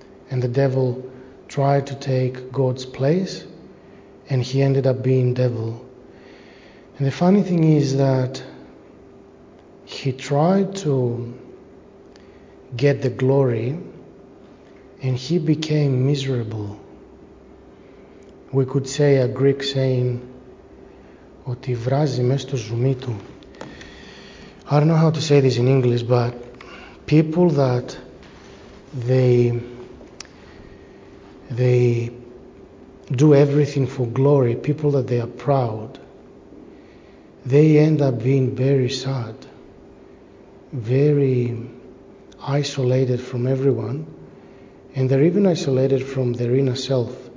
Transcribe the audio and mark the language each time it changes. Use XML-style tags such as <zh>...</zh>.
<en>And the devil tried to take God's place, and he ended up being devil. And the funny thing is that he tried to get the glory, and he became miserable. We could say a Greek saying,</en> <el>ότι βράζει μέσα στο ζουμί του.</el> <en>I don't know how to say this in English, but people that they do everything for glory, people that they are proud, they end up being very sad, very isolated from everyone, and they're even isolated from their inner self.</en>